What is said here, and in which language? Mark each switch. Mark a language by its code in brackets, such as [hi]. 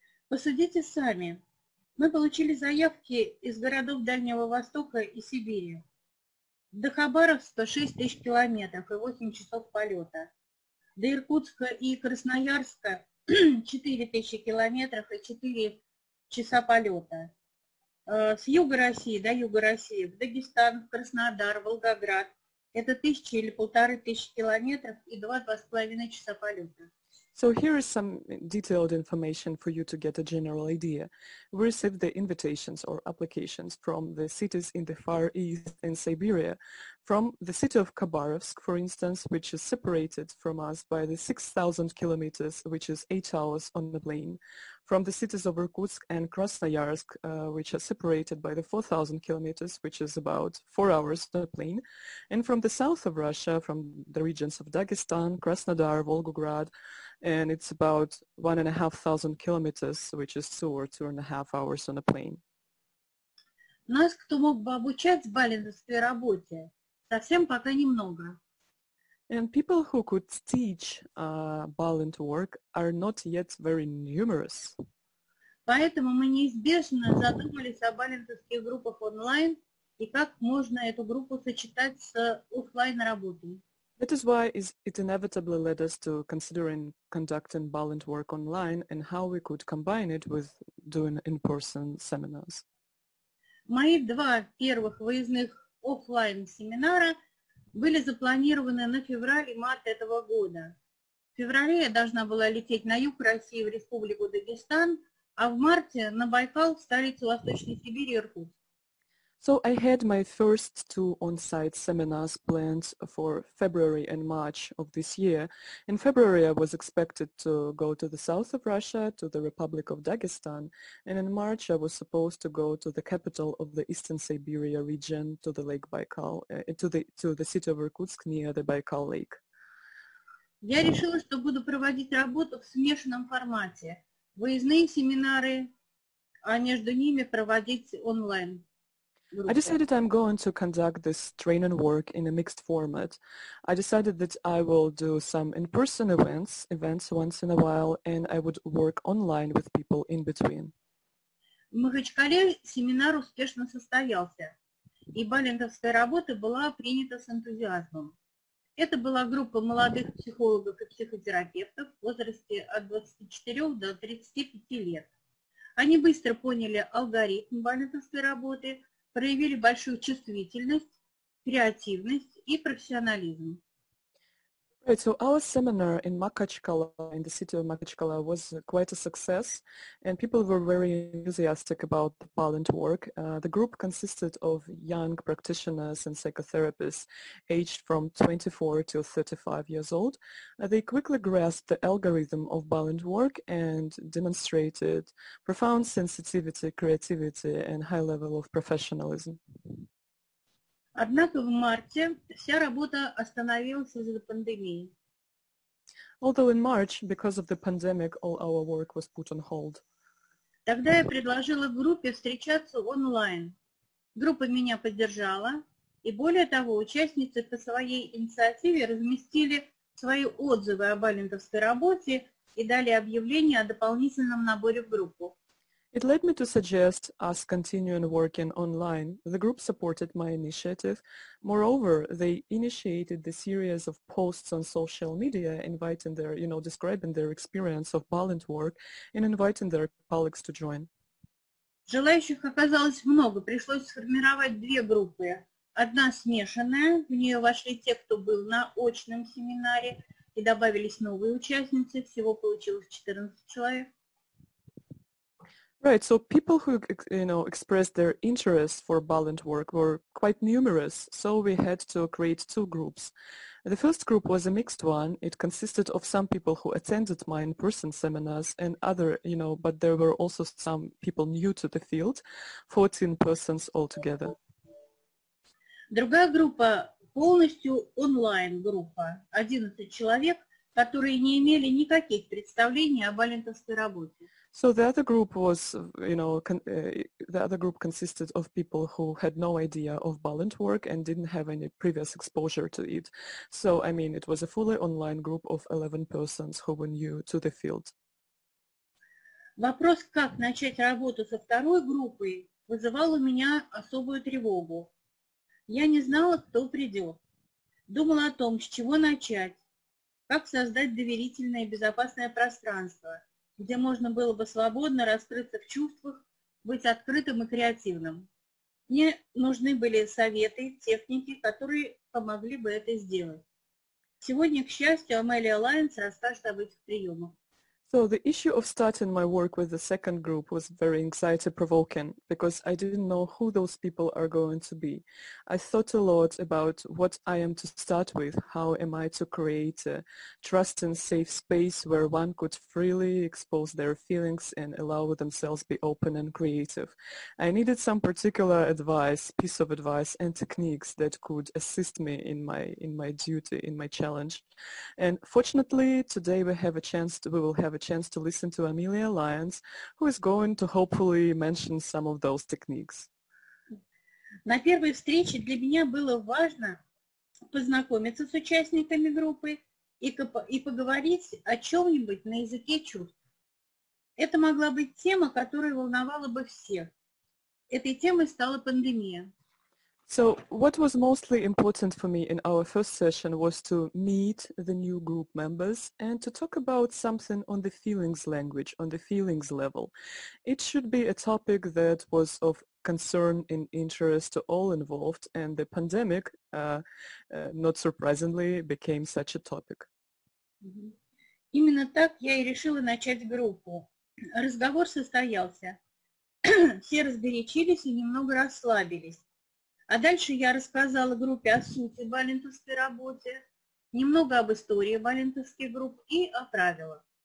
[ru] Посудите сами. Мы получили заявки из городов Дальнего Востока и Сибири. До Хабаровска 6 тысяч километров и 8 часов полета. До Иркутска и Красноярска 4 тысячи километров и 4 часа полета. С юга России до юга России, в Дагестан, в Краснодар, Волгоград. Это 1000 или 1500 километров и 2-2,5 часа полета. [en] So here is some detailed information for you to get a general idea. We received the invitations or applications from the cities in the Far East in Siberia, from the city of Khabarovsk, for instance, which is separated from us by the 6,000 kilometers, which is 8 hours on the plane, from the cities of Irkutsk and Krasnoyarsk, which are separated by the 4,000 kilometers, which is about 4 hours on the plane, and from the south of Russia, from the regions of Dagestan, Krasnodar, Volgograd, and it's about 1,500 kilometers, which is 2 or 2.5 hours on a plane. [ru] Нас кто мог бы обучать в балинской работе? Совсем пока немного. [en] And people who could teach balint work are not yet very numerous. [ru] Поэтому мы неизбежно задумались о балинских группах онлайн и как можно эту группу сочетать с офлайн работой. [en] That is why it inevitably led us to considering conducting balint work online and how we could combine it with doing in-person seminars. [ru] Мои два первых выездных офлайн семинара были запланированы на февраль и март этого года. В феврале я должна была лететь на юг России в Республику Дагестан, а в марте на Байкал, в столицу Восточной Сибири, Иркутск. [en] So I had my first two on-site seminars planned for February and March of this year. In February, I was expected to go to the south of Russia, to the Republic of Dagestan. And in March, I was supposed to go to the capital of the Eastern Siberia region, to the Lake Baikal, to the city of Irkutsk near the Baikal Lake. [ru] Я решила, что буду проводить работу в смешанном формате. Выездные семинары, а между ними проводить онлайн. [en] I decided I'm going to conduct this training work in a mixed format. I decided that I will do some in-person events once in a while, and I would work online with people in between. [ru] В Махачкале семинар успешно состоялся, и балинтовская работа была принята с энтузиазмом. Это была группа молодых психологов и психотерапевтов в возрасте от 24 до 35 лет. Они быстро поняли алгоритм балинтовской работы, проявили большую чувствительность, креативность и профессионализм. [en] Right, so our seminar in Makhachkala, in the city of Makhachkala, was quite a success, and people were very enthusiastic about the balint work. The group consisted of young practitioners and psychotherapists aged from 24 to 35 years old. They quickly grasped the algorithm of balint work and demonstrated profound sensitivity, creativity, and high level of professionalism. [ru] Однако в марте вся работа остановилась из-за пандемии. [en] Although in March, because of the pandemic, all our work was put on hold. [ru] Тогда я предложила группе встречаться онлайн. Группа меня поддержала, и более того, участницы по своей инициативе разместили свои отзывы о балинтовской работе и дали объявление о дополнительном наборе в группу. [en] It led me to suggest us continuing working online. The group supported my initiative. Moreover, they initiated the series of posts on social media, inviting their, you know, describing their experience of balint work and inviting their colleagues to join. [ru] Желающих оказалось много. Пришлось сформировать две группы. Одна смешанная, в нее вошли те, кто был на очном семинаре, и добавились новые участницы. Всего получилось 14 человек. [en] Right, so people who, you know, expressed their interest for balint work were quite numerous, so we had to create two groups. The first group was a mixed one. It consisted of some people who attended my in-person seminars and other, you know, but there were also some people new to the field, 14 persons altogether. [ru] Другая группа полностью онлайн-группа. 11 человек, которые не имели никаких представлений о Балентовской работе. [en] So the other group was, you know, the other group consisted of people who had no idea of Balint work and didn't have any previous exposure to it. So, I mean, it was a fully online group of 11 persons who were new to the field. [ru] Вопрос, как начать работу со второй группой, вызывал у меня особую тревогу. Я не знала, кто придет. Думала о том, с чего начать, как создать доверительное и безопасное пространство, где можно было бы свободно раскрыться в чувствах, быть открытым и креативным. Мне нужны были советы, техники, которые помогли бы это сделать. Сегодня, к счастью, Amelia Lyons расскажет об этих приемах. [en] So the issue of starting my work with the second group was very anxiety-provoking because I didn't know who those people are going to be. I thought a lot about what I am to start with, how am I to create a trust and safe space where one could freely expose their feelings and allow themselves to be open and creative. I needed some particular advice, piece of advice and techniques that could assist me in my duty, in my challenge. And fortunately, today we will have a chance to listen to Amelia Lyons, who is going to hopefully mention some of those techniques. [ru] На первой встрече для меня было важно познакомиться с участниками группы и поговорить о чем-нибудь на языке чувств. Это могла быть тема, которая волновала бы всех. Этой темой стала пандемия. [en] So what was mostly important for me in our first session was to meet the new group members and to talk about something on the feelings language, on the feelings level. It should be a topic that was of concern and interest to all involved, and the pandemic, not surprisingly, became such a topic. [ru] Именно так я и решила начать группу. Разговор состоялся. Все разгорячились и немного расслабились. А дальше я рассказала группе о сути балентовской работе, немного об истории балентовских групп и о правилах.